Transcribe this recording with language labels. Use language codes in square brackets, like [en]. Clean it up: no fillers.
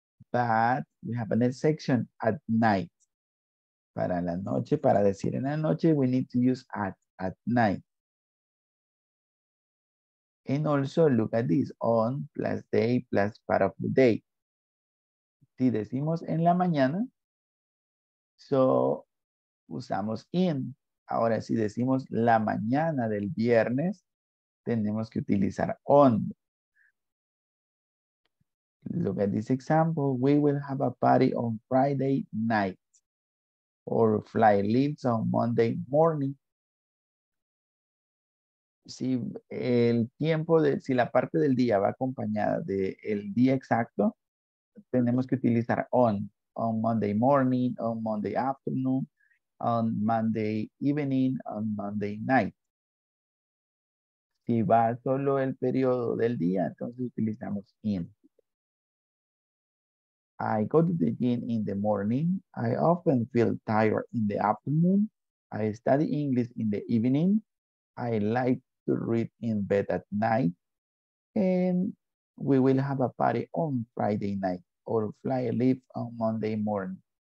[en] But we have a next section at night. [es] Para la noche, para decir en la noche, [en] we need to use at night. And also look at this, on plus day plus part of the day. [es] Si decimos en la mañana, so usamos in. Ahora si decimos la mañana del viernes, tenemos que utilizar on. [en] Look at this example, we will have a party on Friday night. Or fly leaves on Monday morning. [es] Si el tiempo de, si la parte del día va acompañada de el día exacto, tenemos que utilizar [en] on Monday morning, on Monday afternoon, on Monday evening, on Monday night. [es] Si va solo el periodo del día, entonces utilizamos in. [en] I go to the gym in the morning. I often feel tired in the afternoon. I study English in the evening. I like to read in bed at night. And we will have a party on Friday night or fly a leaf on Monday morning.